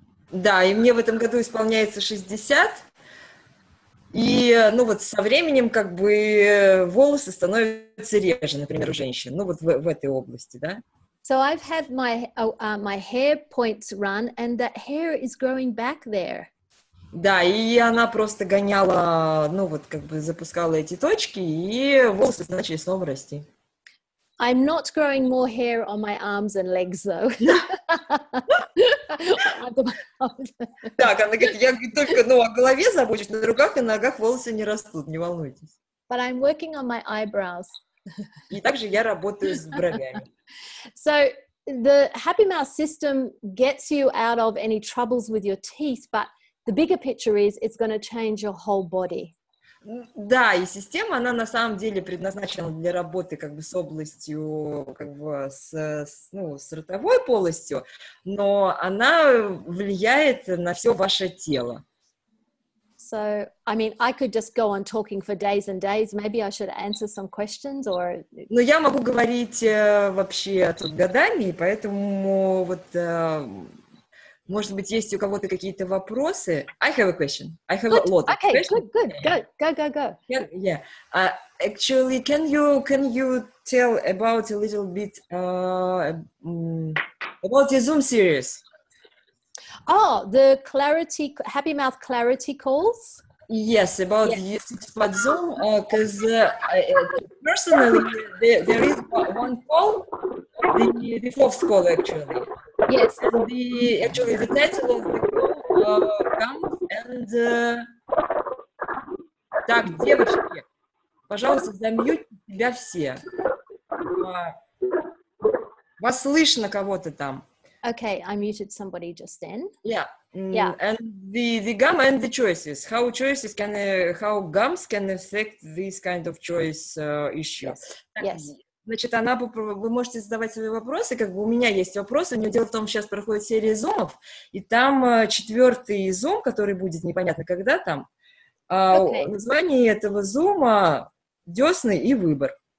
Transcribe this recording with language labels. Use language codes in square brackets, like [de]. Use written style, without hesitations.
[ru] Да, и мне в этом году исполняется 60. И, ну вот, со временем, как бы, волосы становятся реже, например, у женщин. Ну вот в этой области, да? [en] So I've had my my hair points run, and that hair is growing back there. [ru] Да, и она просто гоняла, ну вот как бы запускала эти точки, и волосы начали снова расти. [en] I'm not growing more hair on my arms and legs, though. [ru] Так, она говорит, я только, ну, о голове забочусь, на руках и ногах волосы не растут, не волнуйтесь. [en] But I'm working on my eyebrows. [ru] И также я работаю с бровями. [en] So the Happy Mouth system gets you out of any troubles with your teeth, but the bigger picture is it's going to change your whole body. [ru] Да, и система, она на самом деле предназначена для работы как бы с областью, как бы с ротовой полостью, но она влияет на все ваше тело. [en] So, I mean, I could just go on talking for days and days. Maybe I should answer some questions or... [ru] Ну, я могу говорить вообще тут годами, поэтому вот, может быть, есть у кого-то какие-то вопросы. [en] I have a question. I have good. A lot of okay, questions. Okay, good. Go. Actually, can you tell about a little bit about your Zoom series? Oh, the clarity, Happy Mouth clarity calls? Yes, about yes. Zoom, because personally, there is one call, the fourth call, actually. Yes. And the title of the call comes, and... [ru] Так, девочки, пожалуйста, замьюйте себя все. Вас слышно кого-то там? [en] Okay, I muted somebody just then. Yeah. Yeah. And the gum and the choices. How choices can how gums can affect this kind of choice issue. Yes. [ru] Значит, она вы можете задавать свои вопросы, как бы у меня есть вопросы. У нее дело в том, сейчас проходит серия зумов, и там четвертый зум, который будет непонятно когда там. Название этого зума — десны и выбор.